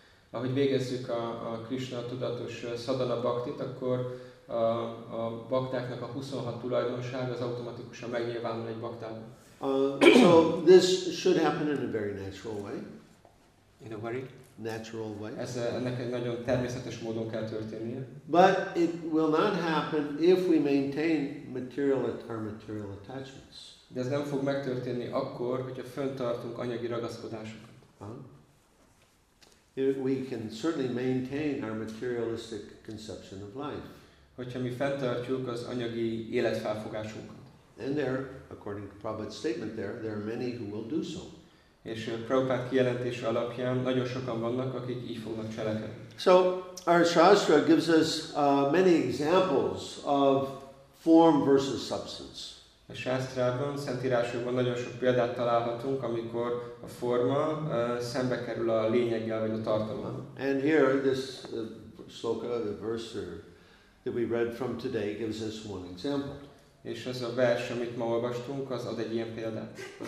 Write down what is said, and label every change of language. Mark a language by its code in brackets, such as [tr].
[hu] Ahogy végezzük a Krishna tudatos sadhana bhaktit, akkor a baktáknak a 26 tulajdonság az automatikusan megnyilvánul egy baktában. [en] So this should happen in a very natural way. In a very natural way. [hu] Ez ennek egy nagyon természetes módon kell történnie. [en] But it will not happen if we maintain material attachments. [hu] De ez nem fog megtörténni akkor, hogyha fönntartunk anyagi ragaszkodásokat. [en] We can certainly maintain our materialistic conception of life. [hu] Hogyha mi fenntartjuk az anyagi életfelfogásunkat. [en] And there, according to Prabhupada's statement there are many who will do so. [hu] És Prabhupada kijelentése alapján nagyon sokan vannak, akik így fognak cselekedni. [en] So, our Shastra gives us many examples of form versus substance. [hu] A Shastrában, Szentírásokban nagyon sok példát találhatunk, amikor a forma szembe kerül a lényeggel, vagy a tartalommal. [en] And here, this sloka, the verse that we read from today, gives us one example. [hu] És ez a vers, amit ma olvastunk, az ad egy ilyen példát.